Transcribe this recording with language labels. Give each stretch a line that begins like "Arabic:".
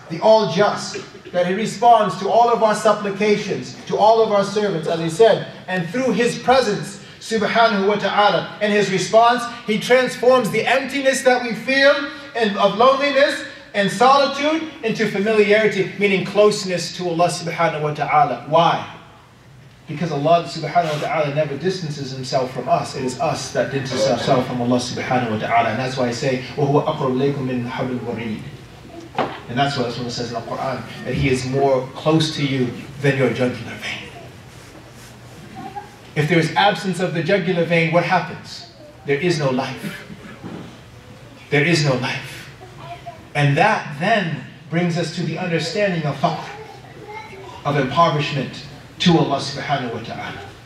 English: the all just, that he responds to all of our supplications, to all of our servants, as he said, and through his presence, subhanahu wa ta'ala, and his response, he transforms the emptiness that we feel and of loneliness and solitude into familiarity, meaning closeness to Allah subhanahu wa ta'ala. Why? Because Allah subhanahu wa ta'ala never distances himself from us. It is us that distance ourselves from Allah subhanahu wa ta'ala. And that's why I say,
Arabic: وَهُوَ أَقْرَبُ لَيْكُمْ مِنْ حَبْلِ الْوَرِيدِ.
English: And that's what Allah says in the Quran, that he is more close to you than your jugular vein. If there is absence of the jugular vein, what happens? There is no life. There is no life. And that then brings us to the understanding of faqr, of impoverishment to Allah subhanahu wa ta'ala.